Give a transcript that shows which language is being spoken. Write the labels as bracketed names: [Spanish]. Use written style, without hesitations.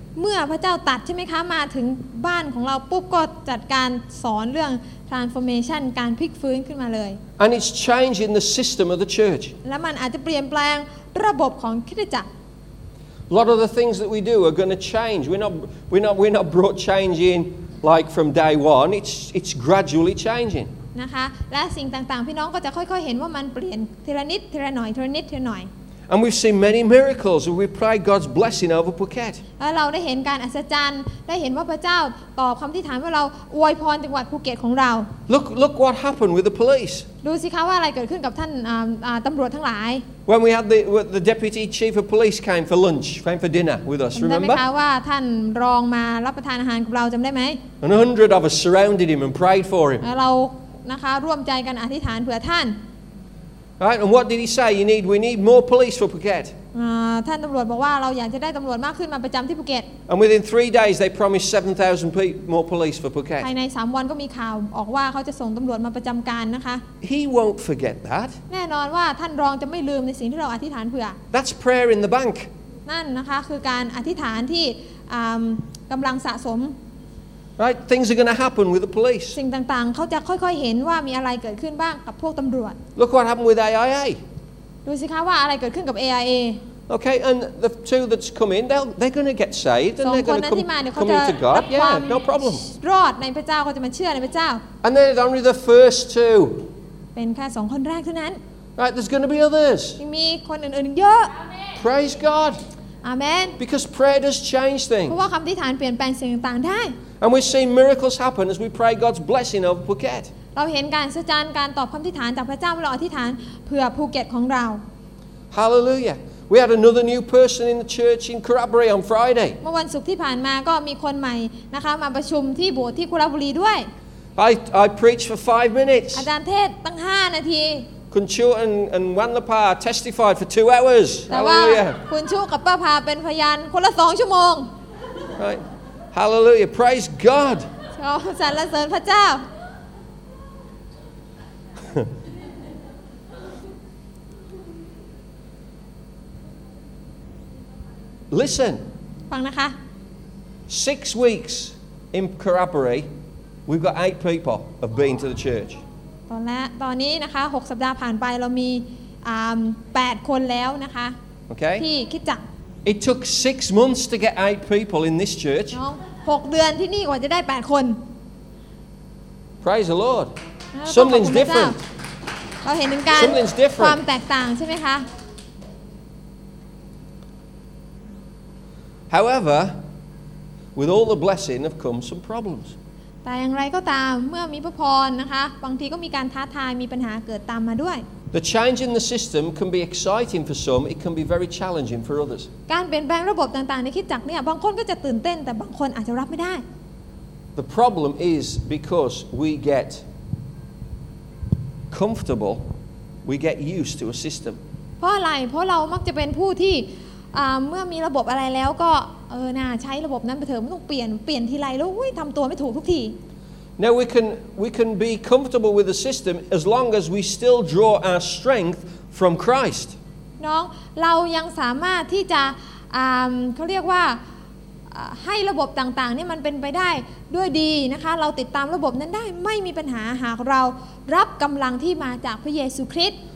[Thai] เมื่อพระเจ้าตรัสใช่มั้ยคะมาถึงบ้านของเราปุ๊บก็จัดการสอนเรื่อง transformation การพลิกฟื้นขึ้นมาเลย [English] And it's changing the system of the church [Thai] และมันอาจจะเปลี่ยนแปลงระบบของคริสตจักร [English] A lot of the things that we do are going to change. We're not brought change in like from day one. It's gradually changing. [Thai] นะคะและสิ่งต่างๆพี่น้องก็จะค่อยๆเห็นว่ามันเปลี่ยนทีละนิดทีละหน่อยทีละนิดทีละหน่อย [English] And we've seen many miracles. We pray God's blessing over Phuket. [Thai] และเราได้เห็นการอัศจรรย์ได้เห็นว่าพระเจ้าตอบคำที่ถามว่าเราอวยพรจังหวัดภูเก็ตของเรา [English] Look what happened with the police. [Thai] ดูสิคะว่าอะไรเกิดขึ้นกับท่านตำรวจทั้งหลาย [English] When we had the deputy chief of police came for lunch, came for dinner with us. Remember? [Thai] จำได้ไหมคะว่าท่านรองมารับประทานอาหารกับเราจำได้ไหม [English] And 100 of us surrounded him and prayed for him. [Thai] เรานะคะร่วมใจกันอธิษฐานเผื่อท่าน [English] Right, and what did he say? We need more police for Phuket. [Thai] ท่านตำรวจบอกว่าเราอยากจะได้ตำรวจมากขึ้นมาประจำที่ภูเก็ต [English] And within 3 days, they promised 7,000 more police for Phuket. [Thai] ภายใน3 วันก็มีข่าวออกว่าเขาจะส่งตำรวจมาประจำการนะคะ [English] He won't forget that. [Thai] แน่นอนว่าท่านรองจะไม่ลืมในสิ่งที่เราอธิษฐานเผื่อ [English] That's prayer in the bank. [Thai] นั่นนะคะคือการอธิษฐานที่กำลังสะสม [English] Right, things are going to happen with the police. [Thai] สิ่งต่างๆเขาจะค่อยๆเห็นว่ามีอะไรเกิดขึ้นบ้างกับพวกตำรวจ [English] Look what happened with AIA. [Thai] ดูสิคะว่าอะไรเกิดขึ้นกับ AIA. [English] Okay, and the two that's come in, they're going to get saved and they're going to come into God. Yeah, no problem. [Thai] รอดในพระเจ้าเขาจะมาเชื่อในพระเจ้า [English] And then only the first two. [Thai] เป็นแค่2 คนแรกเท่านั้น [English] Right, there's going to be others. [Thai] มีคนอื่นๆเยอะ [English] Praise God. Amen. Because prayer does change things. [Thai] เพราะว่าคำอธิษฐานเปลี่ยนแปลงสิ่งต่างๆได้ [English] And we see miracles happen as we pray God's blessing over Phuket. [Thai] เราเห็นการอัศจรรย์การตอบคำอธิษฐานจากพระเจ้าเมื่อเราอธิษฐานเพื่อภูเก็ตของเรา [English] Hallelujah. We had another new person in the church in Kurrabri on Friday. [Thai] เมื่อวันศุกร์ที่ผ่านมาก็มีคนใหม่นะคะมาประชุมที่โบสถ์ที่คุรบุรีด้วย [English] I preach for 5 minutes. [Thai] อาจารย์เทศตั้ง5นาที [English] คุณชูและวันละพา testified for 2 hours. [Thai] แต่ว่าคุณชูกับป้าพาเป็นพยานคนละ2ชั่วโมง [English] Right. Hallelujah. Praise God. [Thai] สรรเสริญพระเจ้า [English] Listen. [Thai] ฟังนะคะ [English] 6 weeks in Karaburi we've got 8 people have been to the church. [Thai] ตอนนี้นะคะ6สัปดาห์ผ่านไปเรามี8คนแล้วนะคะ [English] okay. [Thai] ที่คิดจัก [English] It took 6 months to get 8 people in this church [Thai] 6เดือนที่นี่กว่าจะได้8คน [English] Praise the Lord Something's different [Thai] เราเห็นถึงการความแตกต่างใช่ไหมคะ [English] However with all the blessing have come some problems [Thai] แต่อย่างไรก็ตามเมื่อมีพระพรนะคะบางทีก็มีการท้าทายมีปัญหาเกิดตามมาด้วย [English] The change in the system can be exciting for some it can be very challenging for others [Thai] การเปลี่ยนแปลงระบบต่างๆในคริสตจักรเนี่ยบางคนก็จะตื่นเต้นแต่บางคนอาจจะรับไม่ได้ [English] The problem is because we get comfortable we get used to a system [Thai] เพราะอะไรเพราะเรามักจะเป็นผู้ที่เมื่อมีระบบอะไรแล้วก็น่าใช้ระบบนั้นไปเถอะไม่ต้องเปลี่ยนทีไรแล้วอุ้ยทำตัวไม่ถูกทุกที [English] Now we can be comfortable with the system as long as we still draw our strength from Christ [Thai] น้องเรายังสามารถที่จะเขาเรียกว่าให้ระบบต่างๆเนี่ยมันเป็นไปได้ด้วยดีนะคะเราติดตามระบบนั้นได้ไม่มีปัญหาหากเรารับกำลังที่มาจากพระเยซูคริสต์